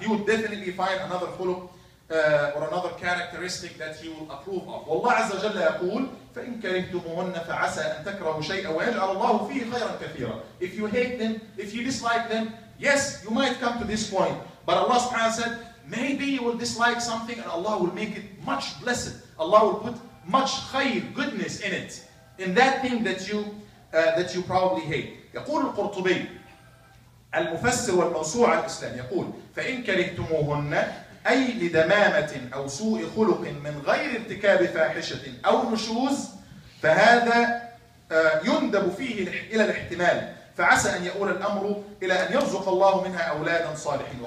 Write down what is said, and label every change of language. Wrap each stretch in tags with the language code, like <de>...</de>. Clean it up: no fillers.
<en>He would definitely find another خلق or another characteristic that he will approve of.</en> <ar>والله عز وجل يقول فإن كرهتموهن فعسى أن تكرهوا شيئا ويجعل الله فيه خيرا كثيرا.</ar> <en>If you hate them, if you dislike them, yes, you might come to this point. But Allah subhanahu wa ta'ala said, maybe you will dislike something and Allah will make it much blessed. Allah will put much خير, goodness in it, in that thing that you probably hate.</en> <ar>يقول القرطبي المفسر والموسوعة الإسلام يقول فإن كرهتموهن أي لدمامة أو سوء خلق من غير ارتكاب فاحشة أو نشوز فهذا يندب فيه إلى الاحتمال فعسى أن يؤول الأمر إلى أن يرزق الله منها أولادا صالحين.</ar>